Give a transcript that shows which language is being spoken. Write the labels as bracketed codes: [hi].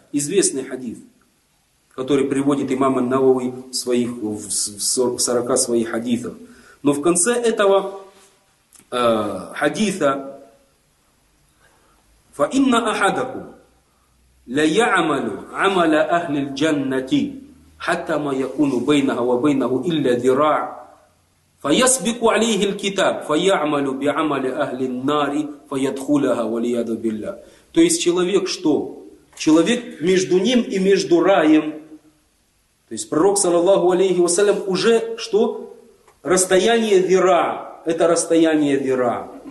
[ru] Известный хадис, который приводит имам ан-Навави в 40 своих хадисах. Но в конце этого хадиса [ar] «Фа инна ахадакум ля яамалю амаля ахлил джаннати». حتى ما يكون بينها وبينه إلا ذراع فيسبق عليه الكتاب فيعمل بعمل أهل النار فيدخلها والعياذ بالله. [ru] То есть человек что? Человек между ним и между раем. То есть пророк саллаллаху алейхи вассалям уже что? Расстояние ذراع. Это расстояние ذراع.